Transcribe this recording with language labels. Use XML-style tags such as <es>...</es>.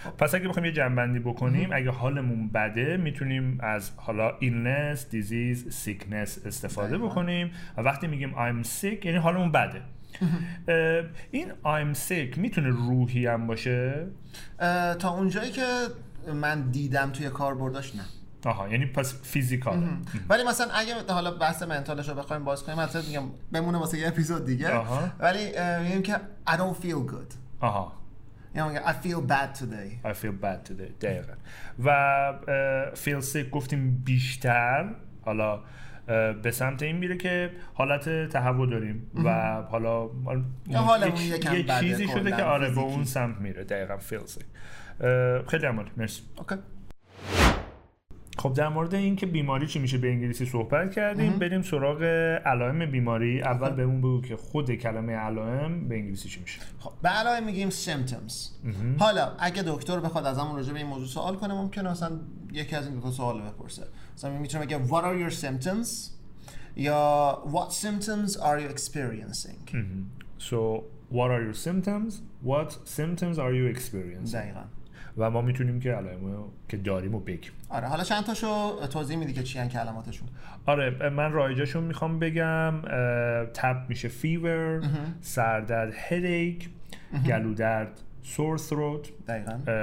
<fa>پس اگه بخوایم یه جنبندی بکنیم، اگه حالمون بده میتونیم از حالا illness, disease, sickness استفاده بکنیم و وقتی میگیم</fa> <en>I'm sick</en> <fa>یعنی حالمون بده. این</fa> <en>I'm sick</en> <fa>میتونه روحی هم باشه؟ تا اونجایی که من دیدم توی کاربرداش نه. آها، یعنی پس فیزیکال. ولی مثلا اگه حالا بحث منتالش رو بخوایم باز کنیم، مثلا میگم بمونه واسه یه اپیزود دیگه. ولی میگم که</fa> <en>I don't feel good.</en> <fa>آها. یعنی میگم</fa> <en>I feel bad today.</en> <fa>دقیقا. و feel sick گفتیم بیشتر. حالا به سمت این میره که حالت تهوع داریم و حالا یه چیزی شده که آره به اون سمت میره. دقیقا feel sick. خیلی عمال، مرسی. خب در مورد این که بیماری چی میشه به انگلیسی صحبت کردیم، بریم سراغ علائم بیماری. اول بهمون بگو که خود کلمه علائم به انگلیسی چی میشه. خب به علائم میگیم symptoms. حالا اگه دکتر بخواد از همون راجع به این موضوع سوال کنه، ممکنه اصلا یکی از این دکتر سوال بپرسه، مثلا میتونه بگه</fa> <en>What are your symptoms؟</en> <fa>یا</fa> <en>What symptoms are you experiencing؟ So what are your symptoms؟ What symptoms are you experiencing؟</en> <fa>دقیقا. و ما میتونیم که علائمو که داریمو بگیم. آره، حالا چند تاشو توضیح میدی که چی ان کلماتشون؟ آره، من رایجاشون میخوام بگم. تب میشه فیور، سردرد هدیک، گلو درد سور ثروت، دقیقاً</fa>